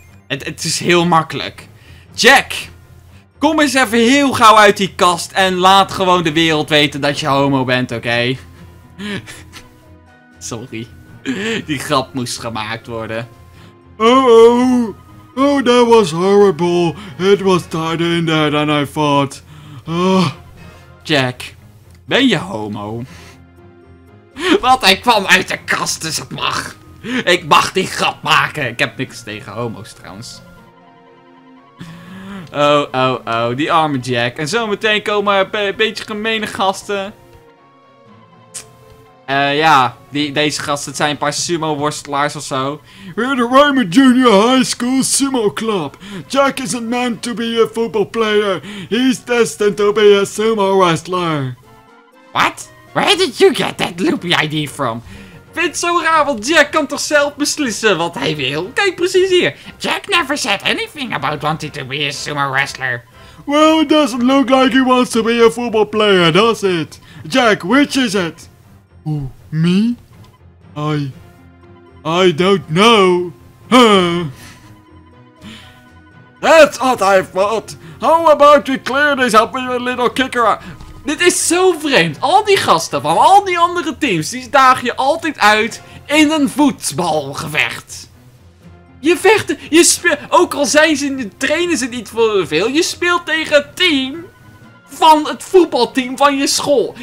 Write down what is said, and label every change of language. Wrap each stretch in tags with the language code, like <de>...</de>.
<nl>Het is heel makkelijk. Jack, kom eens even heel gauw uit die kast en laat gewoon de wereld weten dat je homo bent, oké? Okay? Sorry. Die grap moest gemaakt worden.</nl> <en>Oh, oh, that was horrible. It was tighter in there than I thought.</en> <nl>Jack... Ben je homo? Want hij kwam uit de kast, dus het mag. Ik mag die grap maken. Ik heb niks tegen homo's trouwens. Oh, oh, oh. Die arme Jack. En zometeen komen er een beetje gemene gasten. Deze gasten zijn een paar sumo-worstelaars of zo.</nl> <en>We're the Raymond Junior High School Sumo Club. Jack isn't meant to be a football player. He's destined to be a sumo-wrestler. What? Where did you get that loopy ID from?</en> <nl>Vind het zo raar, want Jack kan toch zelf beslissen wat hij wil? Kijk precies hier.</nl> <en>Jack never said anything about wanting to be a sumo wrestler. Well, it doesn't look like he wants to be a football player, does it? Jack, which is it? Who, me? I don't know. Huh. That's what I thought. How about we clear this up with a little kicker?</en> <nl>Dit is zo vreemd. Al die gasten van al die andere teams, die daag je altijd uit in een voetbalgevecht. Je vecht, je speelt, ook al zijn ze, trainen ze niet voor veel, je speelt tegen het team van het voetbalteam van je school.</nl>